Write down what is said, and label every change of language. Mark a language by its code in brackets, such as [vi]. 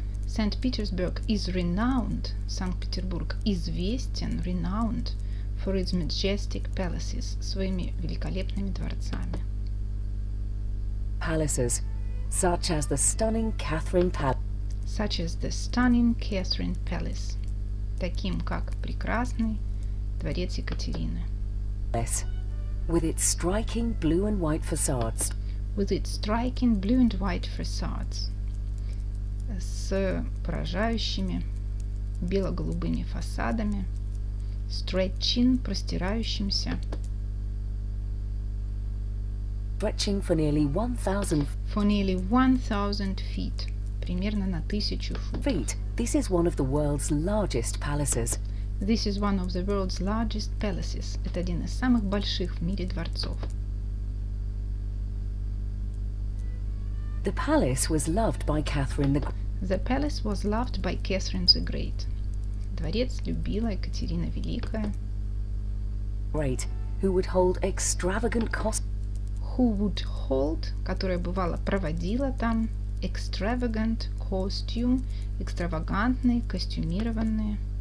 [en] St. Petersburg is renowned. [ru] Санкт-Петербург известен, [en] renowned for its majestic palaces, [ru] своими великолепными дворцами. [en] Palaces, such as the stunning Catherine Palace. Such as the stunning Catherine Palace. [ru] Таким как прекрасный дворец Екатерины. [en] Palace, with its striking blue and white facades. With its striking blue and white facades. [ru] С поражающими бело-голубыми фасадами, [en] stretching, [ru] простирающимся. [en] Stretching for nearly 1,000. For nearly 1,000 feet. [ru] Примерно на 1,000 футов. [en] Feet. This is one of the world's largest palaces. This is one of the world's largest palaces. [ru] Это один из самых больших в мире дворцов. [en] The palace was loved by Catherine the. The palace was loved by Catherine the Great. [ru] Дворец любила Екатерина Великая. [en] Great, who would hold extravagant cost. Who would hold, [ru] которая бывало проводила там, [en] extravagant costume, [ru] экстравагантные костюмированные.